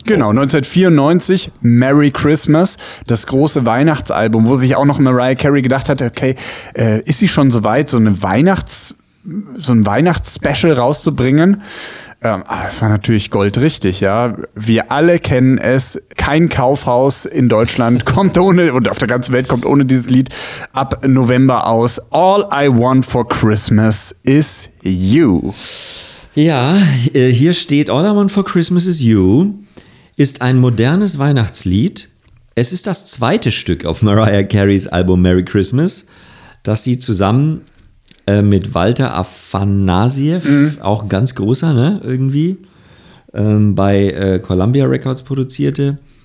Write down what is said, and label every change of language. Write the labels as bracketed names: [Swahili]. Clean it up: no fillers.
[German] Genau, 1994, Merry Christmas, das große Weihnachtsalbum, wo sich auch noch Mariah Carey gedacht hat, okay, ist sie schon so weit, so ein Weihnachtsspecial rauszubringen? Es war natürlich goldrichtig, ja. Wir alle kennen es. Kein Kaufhaus in Deutschland kommt ohne, und auf der ganzen Welt kommt ohne dieses Lied ab November aus. [English] All I want for Christmas is you. [German] Ja, hier steht, All I want for Christmas is you ist ein modernes Weihnachtslied. Es ist das zweite Stück auf Mariah Careys Album Merry Christmas, das sie zusammen mit Walter Afanasieff, auch ganz großer, ne, irgendwie, bei Columbia Records produzierte.